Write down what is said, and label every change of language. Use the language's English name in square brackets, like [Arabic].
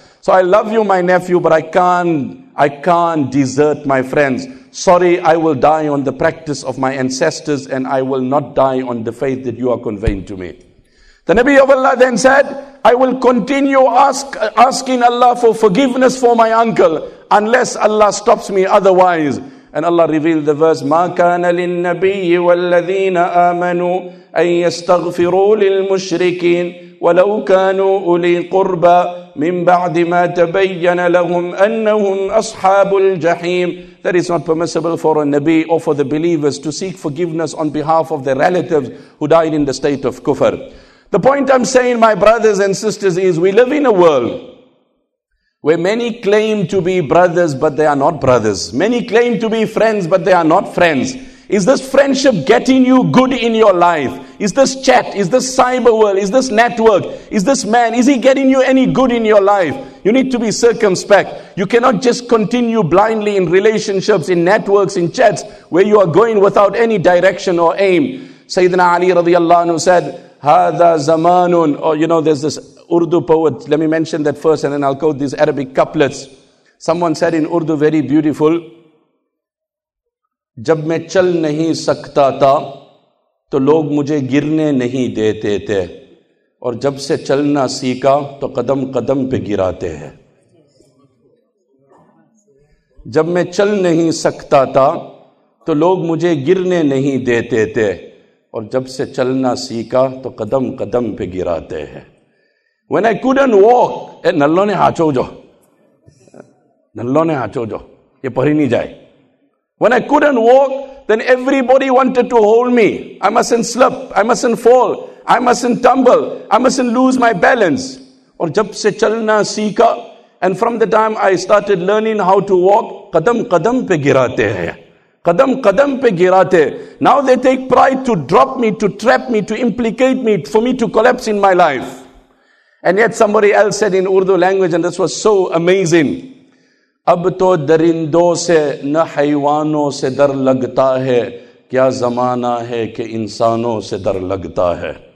[English] So I love you, my nephew, but I can't desert my friends. Sorry, I will die on the practice of my ancestors and I will not die on the faith that you are conveying to me. The Nabi of Allah then said, I will continue asking Allah for forgiveness for my uncle unless Allah stops me otherwise. And Allah revealed the verse, [Arabic] مَا كَانَ لِلنَّبِيِّ وَالَّذِينَ آمَنُوا أَن يَسْتَغْفِرُوا لِلْمُشْرِكِينَ وَلَوْ كَانُوا أُولِي قُرْبَى مِن بَعْدِ مَا تَبَيَّنَ لَهُمْ أَنَّهُمْ أَصْحَابُ الْجَحِيمِ. [English] That is not permissible for a Nabi or for the believers to seek forgiveness on behalf of their relatives who died in the state of kufr. The point I'm saying, my brothers and sisters, is we live in a world where many claim to be brothers, but they are not brothers. Many claim to be friends, but they are not friends. Is this friendship getting you good in your life? Is this chat? Is this cyber world? Is this network? Is this man? Is he getting you any good in your life? You need to be circumspect. You cannot just continue blindly in relationships, in networks, in chats, where you are going without any direction or aim. Sayyidina Ali radiallahu anhu said, [Arabic] هَذَا زَمَانٌ, [English] or you know, there's this Urdu poet, let me mention that first and then I'll quote these Arabic couplets. Someone said in Urdu, very beautiful, [Urdu] جب میں چل نہیں سکتا تھا تو لوگ مجھے گرنے نہیں دیتے تھے اور جب سے چلنا سیکھا تو قدم قدم پہ گراتے ہیں. جب میں چل نہیں سکتا تھا تو لوگ مجھے گرنے نہیں دیتے تھے اور جب سے چلنا سیکھا تو قدم قدم پہ گراتے ہیں. [English] When I couldn't walk, nallo ne hacho jo, nallo ne hacho jo, ye pari ni jaye. When I couldn't walk, then everybody wanted to hold me. I mustn't slip, I mustn't fall, I mustn't tumble, I mustn't lose my balance. [Urdu] Aur jab se chalna seekha, [English] and from the time I started learning how to walk, [Urdu] kadam kadam pe girate hai. Kadam kadam pe girate. [English] Now they take pride to drop me, to trap me, to implicate me, for me to collapse in my life. And yet somebody else said in Urdu language, and this was so amazing, [Urdu] اب تو درندوں سے نہ حیوانوں سے در لگتا ہے کیا زمانہ ہے کہ انسانوں سے در لگتا ہے.